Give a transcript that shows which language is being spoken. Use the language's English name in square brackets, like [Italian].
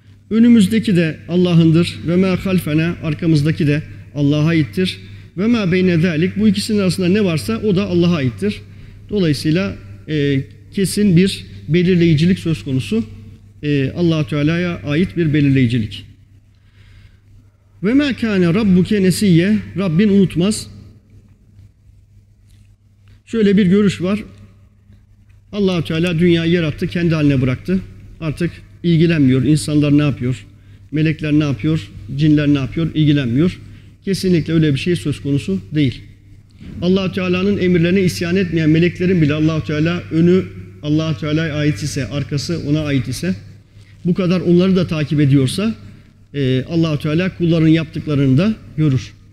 [Turkish] Önümüzdeki de Allah'ındır ve [Arabic] ma halfena, [Turkish] arkamızdaki de Allah'a aittir. [Arabic] Ve ma beyne zalik, [Turkish] bu ikisinin arasında ne varsa o da Allah'a aittir. Dolayısıyla kesin bir belirleyicilik söz konusu. Allah-u Teala'ya ait bir belirleyicilik. [Arabic] وَمَا كَانَ رَبُّكَ نَسِيَّ [Turkish] Rabbin unutmaz. Şöyle bir görüş var. Allah-u Teala dünyayı yarattı, kendi haline bıraktı. Artık ilgilenmiyor. İnsanlar ne yapıyor? Melekler ne yapıyor? Cinler ne yapıyor? İlgilenmiyor. Kesinlikle öyle bir şey söz konusu değil. Allah-u Teala'nın emirlerine isyan etmeyen meleklerin bile Allah-u Teala önü Allah-u Teala'ya ait ise, arkası ona ait ise, bu kadar onları da takip ediyorsa Allah-u Teala kulların yaptıklarını da görür.